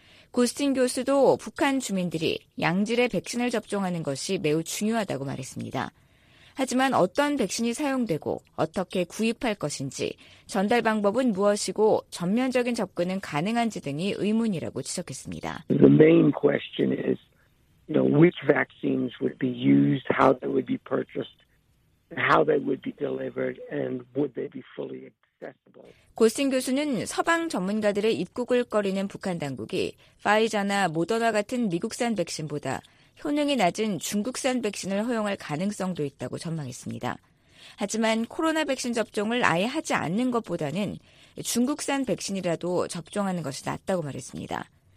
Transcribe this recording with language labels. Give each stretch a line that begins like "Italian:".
Korean: 고스틴 교수도 북한 주민들이 양질의 백신을 접종하는 것이 매우 중요하다고 말했습니다. 하지만 어떤 백신이 사용되고 어떻게 구입할 것인지, 전달 방법은 무엇이고 전면적인 접근은 가능한지 등이 의문이라고 지적했습니다.
English: The main question is, you know, which vaccines would be used, how they would be purchased, how they would be delivered, and would they be fully accessible?
Korean: 고스틴 교수는 서방 전문가들의 입국을 꺼리는 북한 당국이 파이자나 모더나 같은 미국산 백신보다 효능이 낮은 중국산 백신을 허용할 가능성도 있다고 전망했습니다. 하지만 코로나 백신 접종을 아예 하지 않는 것보다는 중국산 백신이라도 접종하는 것이 낫다고 말했습니다.